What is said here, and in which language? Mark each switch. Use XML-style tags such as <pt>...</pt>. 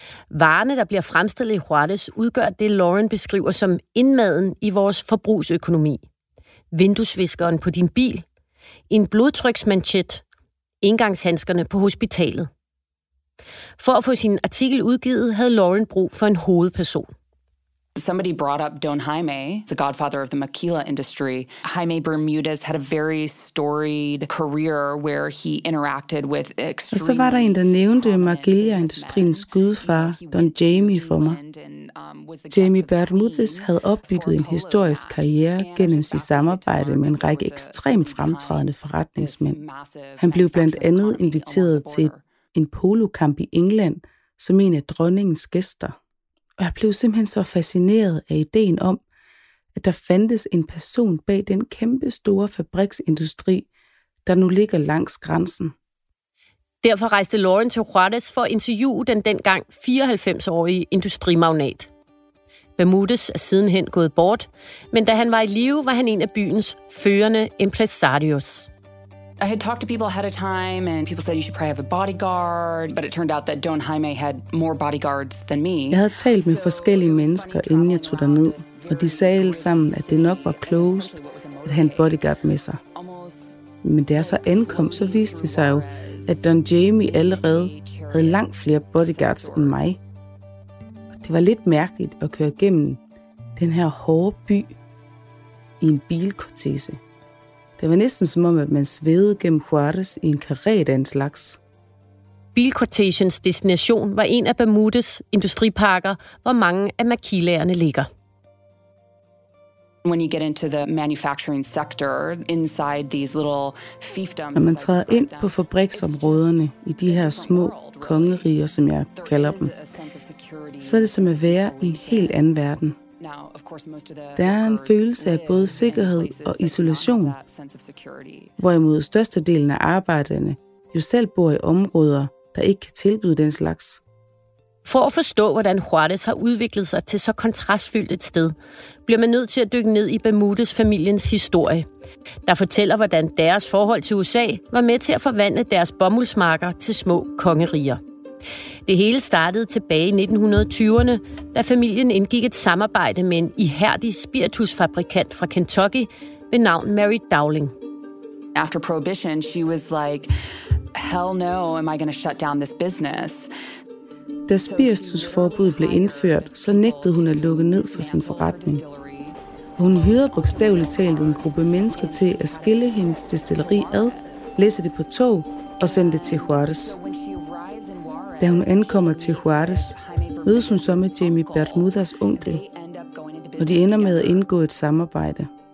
<da>Varerne, der bliver fremstillet i Juarez, udgør det, Lauren beskriver som indmaden i vores forbrugsøkonomi. Vinduesviskeren på din bil, en blodtryksmanchet, indgangshandskerne på hospitalet. For at få sin artikel udgivet, havde Lauren brug for en hovedperson.</da> <en>Somebody brought up Don Jaime, the godfather of the maquila industry. Jaime Bermudez had a very storied career where he interacted with extremely...</en> <da>Og så var der en, der nævnte maquila-industriens gudfar, Don Jaime, for mig. Jaime Bermudez havde opbygget en historisk karriere gennem sit samarbejde med en række ekstremt fremtrædende forretningsmænd. Han blev blandt andet inviteret til en polokamp i England som en af dronningens gæster. Og jeg blev simpelthen så fascineret af ideen om, at der fandtes en person bag den kæmpe store fabriksindustri, der nu ligger langs grænsen. Derfor rejste Lauren til Juarez for at interviewe den dengang 94-årige industrimagnat. Bermudez er sidenhen gået bort, men da han var i live, var han en af byens førende empresarios.</da> <en>I had talked to people ahead of time, and people said you should probably have a bodyguard, but it turned out that Don Jaime had more bodyguards than me.</en> <da>Jeg havde talt med forskellige mennesker, inden jeg tog derned, og de sagde alle sammen, at det nok var klogest at have en bodyguard med sig. Men da jeg så ankom, så viste det sig jo, at Don Jaime allerede havde langt flere bodyguards end mig. Og det var lidt mærkeligt at køre gennem den her hårde by i en bilkortese. Det var næsten som om, at man svedede gennem Juarez i en karret af en slags. Bilkortagens destination var en af Bermudez industriparker, hvor mange af maquilaerne ligger.</da> <en>When you get into the manufacturing sector, inside these little fiefdoms,</en> <da>når man træder ind på fabriksområderne i de her små kongeriger, som jeg kalder dem, så er det som at være i en helt anden verden. Der er en følelse af både sikkerhed og isolation, hvorimod størstedelen af arbejderne jo selv bor i områder, der ikke kan tilbyde den slags. For at forstå, hvordan Juarez har udviklet sig til så kontrastfyldt et sted, bliver man nødt til at dykke ned i Bermudez-familiens historie, der fortæller, hvordan deres forhold til USA var med til at forvandle deres bomuldsmarker til små kongeriger. Det hele startede tilbage i 1920'erne, da familien indgik et samarbejde med en ihærdig spiritusfabrikant fra Kentucky ved navn Mary Dowling.</da> <en>After prohibition, she was like, "Hell no, am I going to shut down this business?"</en> <da>Da spiritusforbuddet blev indført, så nægtede hun at lukke ned for sin forretning. Hun hyrede bogstaveligt talt en gruppe mennesker til at skille hendes destilleri ad, læse det på tog og sende det til Juarez. Da hun ankommer til Juarez, mødes hun så med Jaime Bermudez' onkel, og de ender med at indgå et samarbejde.</da>